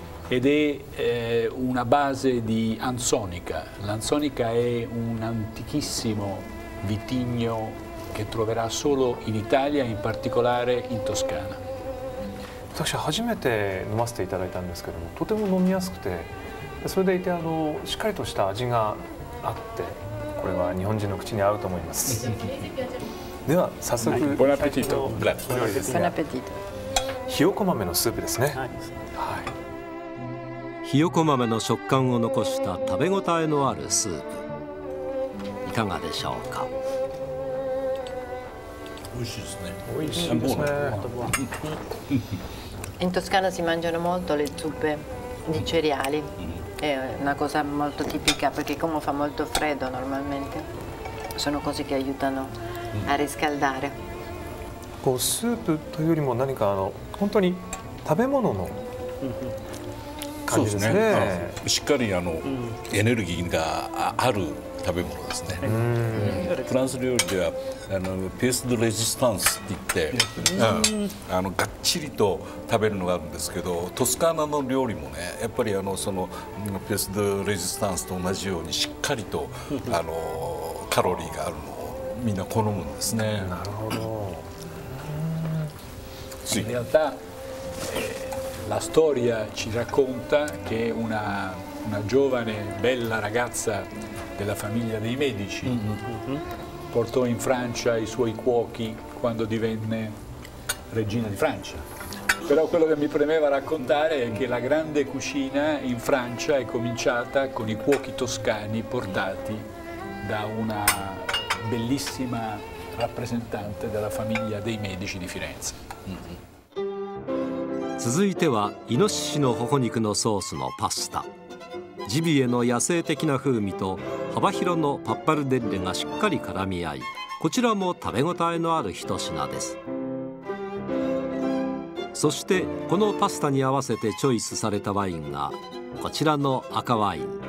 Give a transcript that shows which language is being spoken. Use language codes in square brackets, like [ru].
[it] ed è una base di Anzonica. L'Anzonica è un antichissimo vitigno che troverà solo in Italia, in particolare in Toscana. [ja] 私は初めて飲ませていただいたんですけども、とても飲みやすくて、それでいてしっかりとした味があって、これは日本人の口に合うと思います。では早速、はい、ボナペティト、ブラッド、ボナペティト。ひよこ豆のスープですね。はい。ひよこ豆の食感を残した食べ応えのあるスープ、いかがでしょうか。美味しいですね。美味しいですね。 [it] In Toscana si mangiano molto le zuppe di cereali. È una cosa molto tipica perché come fa molto freddo normalmente, sono cose che aiutano. あ、riscaldare。 [ja] こうスープというよりも何か本当に食べ物の感じですね。しっかりエネルギーがある食べ物ですね。フランス料理ではペース・ド・レジスタンスって言って、がっちりと食べるのがあるんですけど、トスカーナの料理もね、やっぱりそのペース・ド・レジスタンスと同じようにしっかりとカロリーがあるの。みんな好むんですね。なるほど。 [it] In realtà, la storia ci racconta che una giovane bella ragazza della famiglia dei Medici portò in Francia i suoi cuochi quando divenne regina di Francia. Però quello che mi premeva raccontare è che la grande cucina in Francia è cominciata con i cuochi toscani portati da unabellissima rappresentante della famiglia dei Medici di Firenze。 [ja] 続いてはイノシシの頬肉のソースのパスタ。ジビエの野生的な風味と幅広のパッパルデッレがしっかり絡み合い、こちらも食べ応えのある一品です。そしてこのパスタに合わせてチョイスされたワインがこちらの赤ワイン。